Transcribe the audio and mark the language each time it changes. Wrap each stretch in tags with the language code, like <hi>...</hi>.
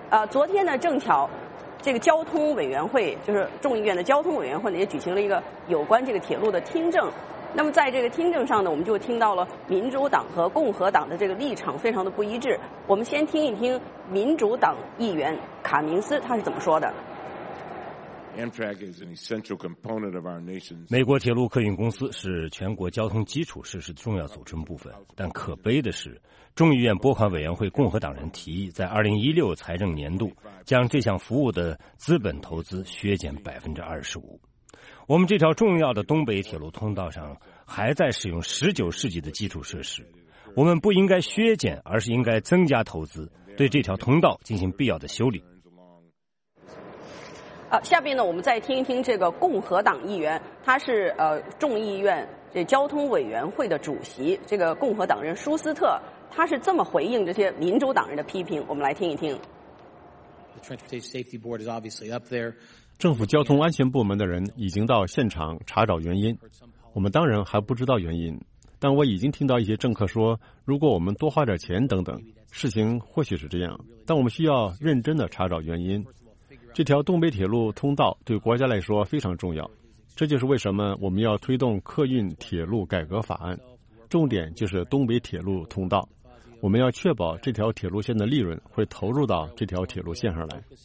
<zh>昨天呢正巧这个交通委员会，就是众议院的交通委员会呢，也举行了一个有关这个铁路的听证。那么在这个听证上呢，我们就听到了民主党和共和党的这个立场非常的不一致。我们先听一听民主党议员卡明斯他是怎么说的。</zh> <en>Amtrak is an essential component of our nation.</en> <zh>美国铁路客运公司是全国交通基础设施的重要组成部分，但可悲的是，众议院拨款委员会共和党人提议在2016财政年度将这项服务的资本投资削减25%。我们这条重要的东北铁路通道上还在使用19世纪的基础设施，我们不应该削减，而是应该增加投资，对这条通道进行必要的修理。下面呢，我们再听一听这个共和党议员，他是众议院这交通委员会的主席，这个共和党人舒斯特，他是这么回应这些民主党人的批评，我们来听一听。</zh> <en>The Transportation Safety Board is obviously up there.</en> <zh>政府交通安全部门的人已经到现场查找原因，我们当然还不知道原因，但我已经听到一些政客说，如果我们多花点钱等等，事情或许是这样，但我们需要认真地查找原因。这条东北铁路通道对国家来说非常重要，这就是为什么我们要推动客运铁路改革法案，重点就是东北铁路通道，我们要确保这条铁路线的利润会投入到这条铁路线上来。</zh>